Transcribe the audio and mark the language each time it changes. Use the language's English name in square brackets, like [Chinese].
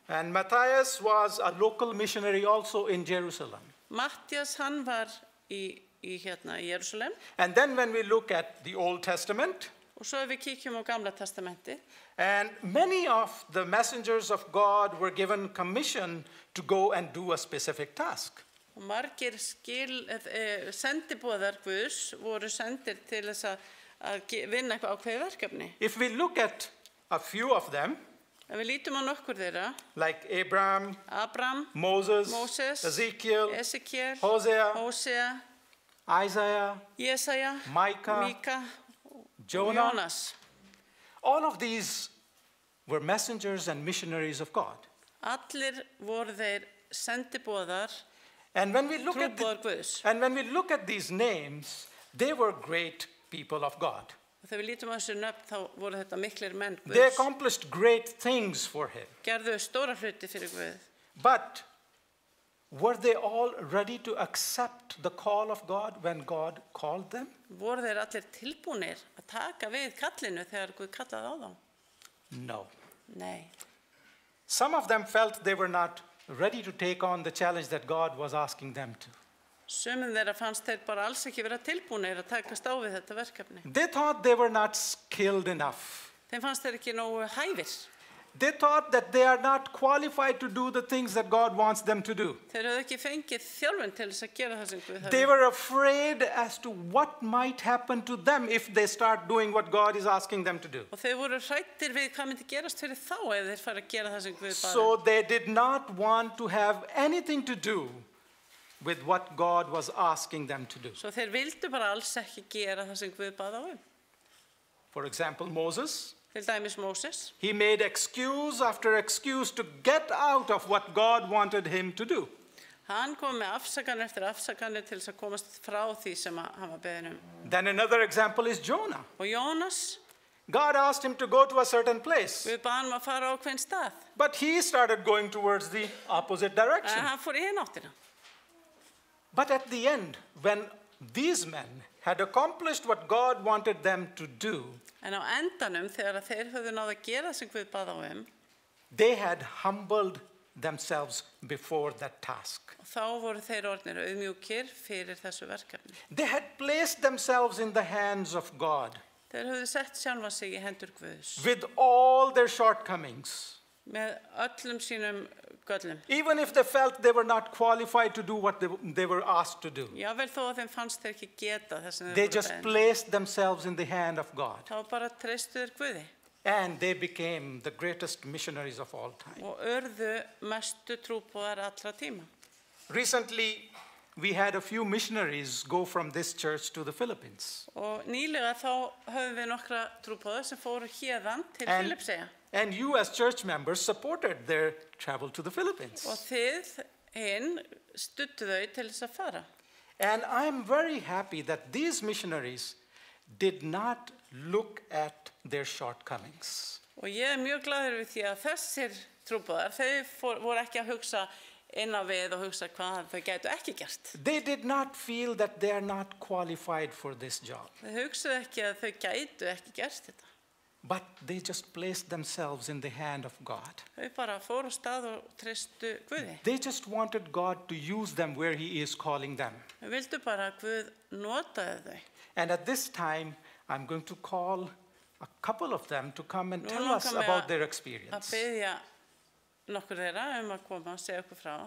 [English] And Matthias was a local missionary also in Jerusalem. [Icelandic] Matthias hann var í hérna í Jerusalem. [English] And then when we look at the Old Testament. [Icelandic] Og svo við kíkjum á Gamla testamenti. [English] And many of the messengers of God were given commission to go and do a specific task. [Icelandic] Og margir sendiboðar Guðs voru sendir til þess að vinna eitthvað ákveðið verkefni. [English] If we look at a few of them. [Icelandic] Við lítum á nokkur þeirra. [English] Like Abraham. [Icelandic] Abraham. [English] Moses. Ezekiel. Hosea. Isaiah. Jesaja. Micah. Jonas. All of these were messengers and missionaries of God. [Icelandic] Allir voru þeir sendiboðar. [English] And when we look at these names, they were great people of God. [Icelandic] Þegar við lítum á þessu nöfn, þá voru þetta miklir menn Guðs. [English] They accomplished great things for him. [Icelandic] Gerðu stóra hluti fyrir Guð. [English] But were they all ready to accept the call of God when God called them? [Icelandic] Voru þeir allir tilbúnir að taka við kallinu þegar Guð kallaði á þá? [English] No. [Icelandic] Nei. [English] Some of them felt they were not ready to take on the challenge that God was asking them to. [Icelandic] Sumum þeirra fannst þeir bara alls ekki vera tilbúnir að takast á við þetta verkefni. [English] They thought they were not skilled enough. [Icelandic] Þeim fannst þeir ekki nógu hæfir. [English] They thought that they are not qualified to do the things that God wants them to do. [Icelandic] Þeir höfðu ekki fengið þjálfun til þess að gera það sem Guð hafði. [English] They were afraid as to what might happen to them if they start doing what God is asking them to do. [Icelandic] Og þeir voru hræddir við hvað myndi gerast fyrir þá ef þeir fara að gera það sem Guð bað. [English] So they did not want to have anything to do with what God was asking them to do. [Icelandic] So þeir vildu bara alls ekki gera það sem Guð bað á um. [English] For example, Moses. [Icelandic] Til dæmis Moses. [English] He made excuse after excuse to get out of what God wanted him to do. [Icelandic] Hann kom með afsakanir eftir afsakanir til að komast frá því sem hann var beðinn um. [English] Then another example is Jonah. [Icelandic] Og Jónas. [English] God asked him to go to a certain place. [Icelandic] Guð bað hann að fara á ákveðinn stað. [English] But he started going towards the opposite direction. [Icelandic] Hann fór í hina áttina. [English] But at the end, when these men had accomplished what God wanted them to do, [Icelandic] en á endanum, þegar þeir höfðu náð að gera sem Guð bað á um, [English] they had humbled themselves before that task. [Icelandic] Þá voru þeir orðnir auðmjúkir fyrir þessu verkefni. [English] They had placed themselves in the hands of God. [Icelandic] Þeir höfðu sett sjálfa sig í hendur Guðs. [English] With all their shortcomings. [Icelandic] Með öllum sínum göllum. [English] Even if they felt they were not qualified to do what they were asked to do. [Icelandic] Já, vel þó að þeim fannst þeir ekki geta þess sem þeir [English] voru. They just placed themselves in the hand of God. [Icelandic] Þá bara treystu þeir Guði. [English] And they became the greatest missionaries of all time. [Icelandic] Og urðu mestu trúboðar allra tíma. [English] Recently, we had a few missionaries go from this church to the Philippines. [Icelandic] Og nýlega þá höfum við nokkra trúboða sem fóru héðan til Filippseyja. [English] And you as church members supported their travel to the Philippines. [Icelandic] Og þið hinn studdu þau til þess að fara. [English] And I am very happy that these missionaries did not look at their shortcomings. [Icelandic] Og ég mjög glaður við því að þessir trúboðar, þau voru ekki að hugsa inn á við og hugsa hvað þau gætu ekki gert. [English] They did not feel that they are not qualified for this job. [Icelandic] Þau hugsaðu ekki að þau gætu ekki gert þetta. [English] But they just placed themselves in the hand of God. [Icelandic] Þau bara fóru stað og treystu Guði. [English] They just wanted God to use them where he is calling them. [Icelandic] Þau vildu bara að Guð notaði þau. [English] And at this time, I'm going to call a couple of them to come and tell us about their experience. [Icelandic] Að beðja nokkur þeirra að koma og segja okkur frá.